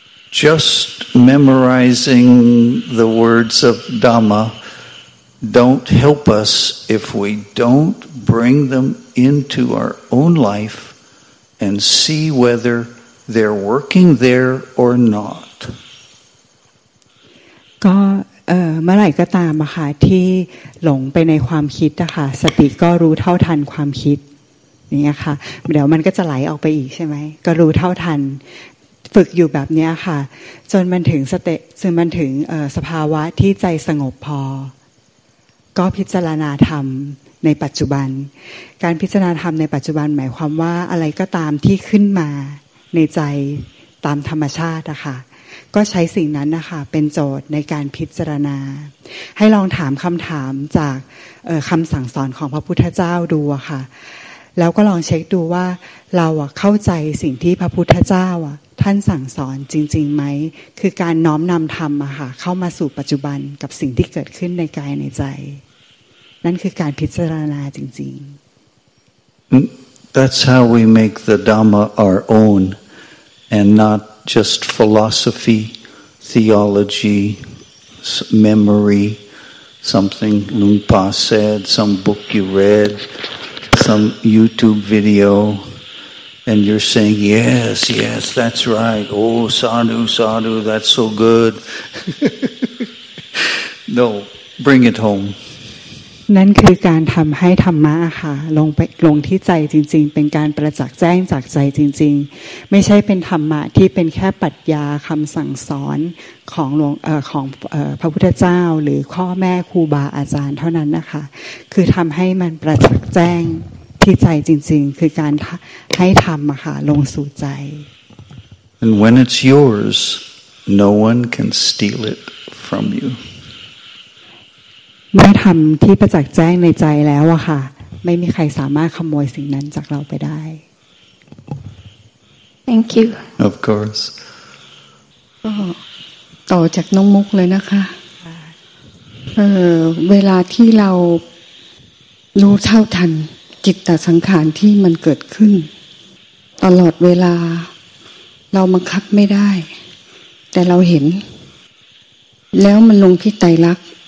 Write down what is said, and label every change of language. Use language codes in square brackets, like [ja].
[en] Just memorizing the words of Dhamma don't help us if we don't bring themInto our own life and see whether they're working there or not. [th] ก็เมื่อไหร่ก็ตามค่ะที่หลงไปในความคิดนะคะสติก็รู้เท่าทันความคิดเนี่ยค่ะเดี๋ยวมันก็จะไหลออกไปอีกใช่ไหมก็รู้เท่าทันฝึกอยู่แบบเนี้ยค่ะจนมันถึงจนมันถึงสภาวะที่ใจสงบพอ ก็พิจารณาธรรมในปัจจุบันการพิจารณาธรรมในปัจจุบันหมายความว่าอะไรก็ตามที่ขึ้นมาในใจตามธรรมชาตินะคะก็ใช้สิ่งนั้นนะคะเป็นโจทย์ในการพิจารณา ให้ลองถามคำถามจากคำสั่งสอนของพระพุทธเจ้าดูค่ะแล้วก็ลองเช็คดูว่าเราเข้าใจสิ่งที่พระพุทธเจ้าท่านสั่งสอนจริงๆไหมคือการน้อมนำธรรมค่ะเข้ามาสู่ปัจจุบันกับสิ่งที่เกิดขึ้นในกายในใจนั่นคือการพิจารณาจริง [en] ๆ That's how we make the Dhamma our own and not just philosophy, theology, memory, something Lungpa said, some book you read, some YouTube video and you're saying, yes, yes, that's right, oh, sadhu, sadhu, that's so good. No, bring it homen [th] นคือการทำให้ธรรมะค่ะลงไปลงที่ใจจริงๆเป็นการประจักษ์แจ้งจากใจจริงๆไม่ใช่เป็นธรรมะที่เป็นแค่ปรัชญาคำสั่งสอนของหลวงของพระพุทธเจ้าหรือพ่อแม่ครูบาอาจารย์เท่านั้นนะคะคือทำให้มันประจักษ์แจ้งที่ใจจริงๆคือการให้ธรรมะค่ะลงสู่ใจ [en] And when it's yours no one can steal it from you [th] เมื่อทำที่ประจักษ์แจ้งในใจแล้วอะค่ะไม่มีใครสามารถขโมยสิ่งนั้นจากเราไปได้ [en] Thank you Of course [th] ต่อจากน้องมุกเลยนะคะเวลาที่เรารู้เท่าทันจิตตสังขารที่มันเกิดขึ้นตลอดเวลาเราบังคับไม่ได้แต่เราเห็นแล้วมันลงที่ไตรลักษณ์